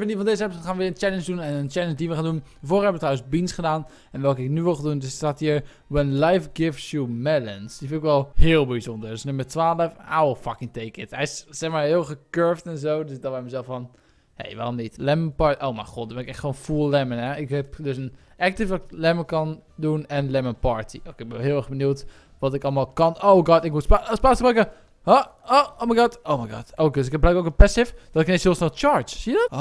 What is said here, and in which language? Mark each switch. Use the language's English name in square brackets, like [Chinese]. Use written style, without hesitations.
[Dutch] En die van deze episode gaan we weer een challenge doen. En een challenge die we gaan doen. Vorig hebben we trouwens beans gedaan. En welke ik nu wil gaan doen, dus staat hier: When Life Gives You Melons. Die vind ik wel heel bijzonder. Dus nummer 12, [English] I'll fucking take it. [Dutch] Hij is zeg maar heel gecurved en zo. Dus dan bij mezelf van: hé, hey, waarom niet? Lemon part. Oh, mijn god, dan ben ik echt gewoon full lemon, hè. Ik heb dus een active wat lemon kan doen en lemon party. Oké, ik ben heel erg benieuwd wat ik allemaal kan. Oh god, ik moet spaans gebruiken. [English] Oh my god. [Dutch] Oké, dus ik heb blijkbaar ook een passive. Dat ik ineens heel snel charge. Zie je dat?